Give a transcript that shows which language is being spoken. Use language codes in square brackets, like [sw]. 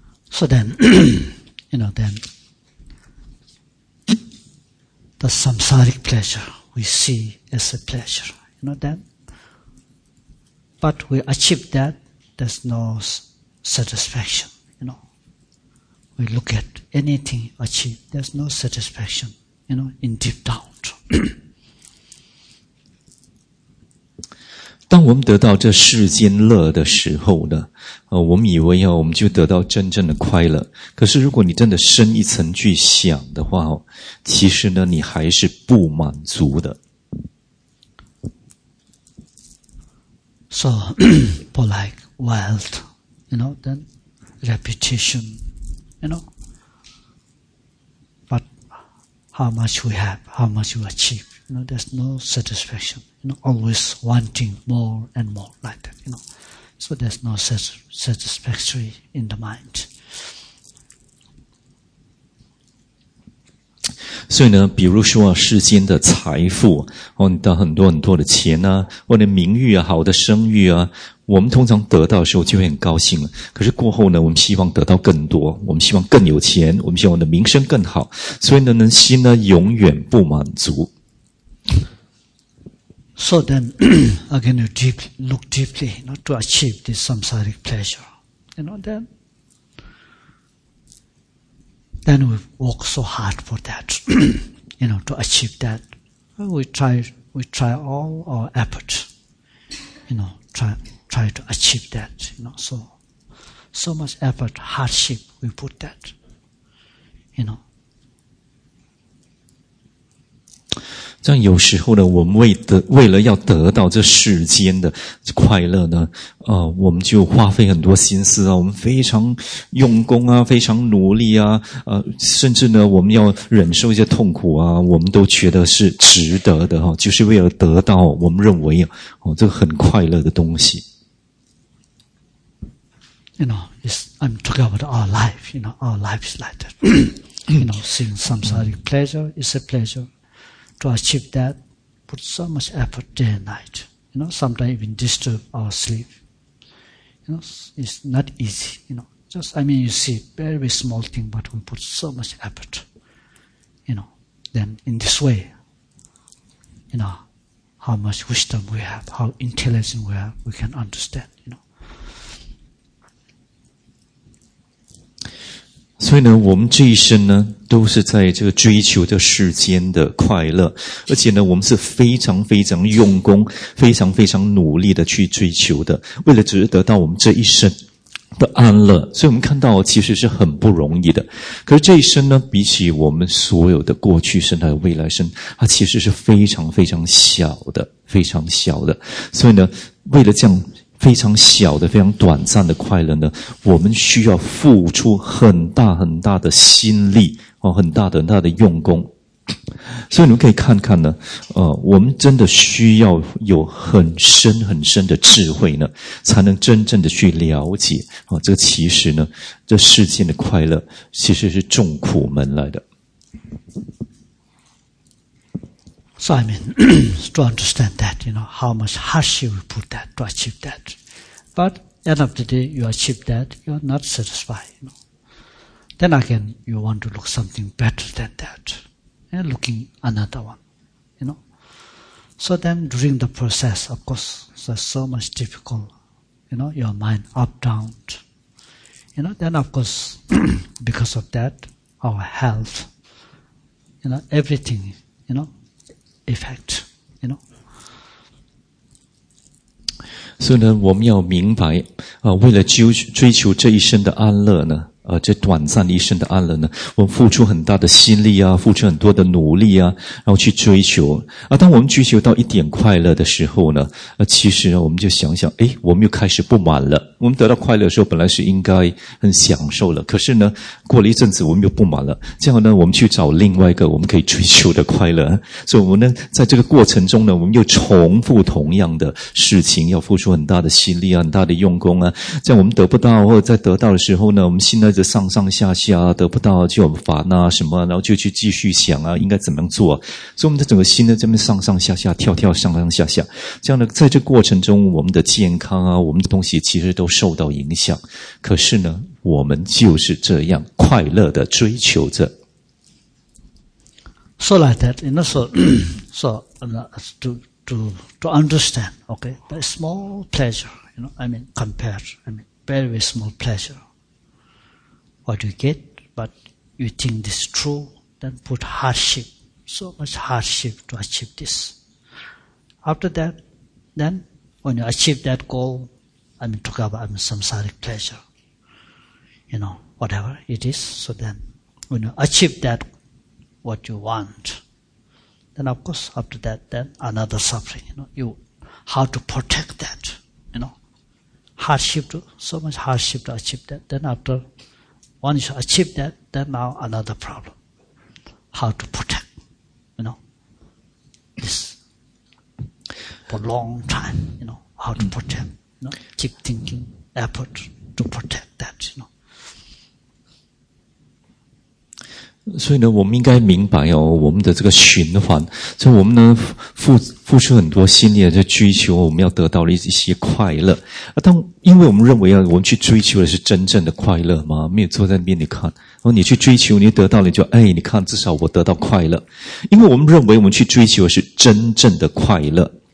[en] So then, you know, then the samsaric pleasure we see as a pleasure, you know, then. But we achieve that, there's no satisfaction, you know. We look at anything achieved, there's no satisfaction, you know, in deep down. [zh] 当我们得到这世间乐的时候呢，我们以为要我们就得到真正的快乐。可是如果你真的深一层去想的话，其实呢，你还是不满足的。 [en] So, for like wealth, you know, then reputation, you know, but how much we have, how much we achieve, you know, there's no satisfaction. You know, always wanting more and more like that, you know. So there's no satisfactory in the mind. [zh] 所以呢，比如说世间的财富，你得很多很多的钱啊，或者名誉啊，好的声誉啊，我们通常得到的时候就会很高兴了。可是过后呢，我们希望得到更多，我们希望更有钱，我们希望我们的名声更好，所以呢，人心呢永远不满足。 [en] So then, again, you deeply, look deeply, you know, to achieve this samsaric pleasure. You know, then we work so hard for that, you know, to achieve that. We try all our effort, you know, try to achieve that, you know, so much effort, hardship we put that, you know. [zh] 这样有时候呢，我们为了要得到这世间的快乐呢，我们就花费很多心思啊，我们非常用功啊，非常努力啊，甚至呢，我们要忍受一些痛苦啊，我们都觉得是值得的哈，就是为了得到我们认为这个很快乐的东西。 [en] You know, I'm talking about our life. You know, our life is like that. You know, seeing samsaric pleasure is a pleasure. To achieve that, put so much effort day and night. You know, sometimes even disturb our sleep. You know, it's not easy. You know, just, I mean, you see, very small thing, but we put so much effort. You know, then in this way, you know, how much wisdom we have, how intelligent we have, we can understand, you know. [zh] 所以呢，我们这一生呢，都是在这个追求这世间的快乐，而且呢，我们是非常非常用功，非常非常努力的去追求的，为了只是得到我们这一生的安乐，所以我们看到其实是很不容易的。可是这一生呢，比起我们所有的过去生还有未来生，它其实是非常非常小的，非常小的。所以呢，为了这样非常小的、非常短暂的快乐呢，我们需要付出很大很大的心力，很大的很大的用功。所以你们可以看看呢，我们真的需要有很深很深的智慧呢，才能真正的去了解，这个其实呢，这世间的快乐其实是众苦门来的。 [en] So I mean, to understand that, you know, how much hardship we put that to achieve that. But, end of the day, you achieve that, you're not satisfied, you know. Then again, you want to look something better than that. And looking another one, you know. So then, during the process, of course, there's so much difficult, you know, your mind uptown. You know, then of course, because of that, our health, you know, everything, you know, effect, you know. [zh] 所以呢，我们要明白，为了追求这一生的安乐呢，这短暂一生的安乐呢，我们付出很大的心力啊，付出很多的努力啊，然后去追求。当我们追求到一点快乐的时候呢，其实呢，我们就想想，诶，我们又开始不满了。我们得到快乐的时候，本来是应该很享受了，可是呢，过了一阵子，我们又不满了。这样呢，我们去找另外一个我们可以追求的快乐。所以我们呢，在这个过程中呢，我们又重复同样的事情，要付出很大的心力啊，很大的用功啊。这样我们得不到，或者在得到的时候呢，我们心呢就上上下下得不到就很烦啊什么，然后就去继续想啊应该怎么样做啊，所以我们的整个心呢这边上上下下跳跳上上下下，这样呢在这过程中我们的健康啊我们的东西其实都受到影响，可是呢我们就是这样快乐的追求着。 [en] So like that, you know, to understand, okay, but small pleasure, you know, I mean compared, very small pleasure. What you get, but you think this is true, then put hardship, so much hardship to achieve this. After that, then when you achieve that goal, I mean, talk about samsaric pleasure, you know, whatever it is. So then, when you achieve that, what you want, then of course, after that, then another suffering, you know, you, how to protect that, you know, hardship to, so much hardship to achieve that, then after,Once you achieve that, then now another problem. How to protect, you know, this for a long time, you know, how to protect, you know, keep thinking, effort to protect that, you know. [zh] 所以呢，我们应该明白哦，我们的这个循环，所以我们呢付出很多心力在追求我们要得到的一些快乐啊。当因为我们认为啊，我们去追求的是真正的快乐吗？没有坐在那边，你看，然后你去追求，你得到了，你就哎，你看，至少我得到快乐，因为我们认为我们去追求的是真正的快乐。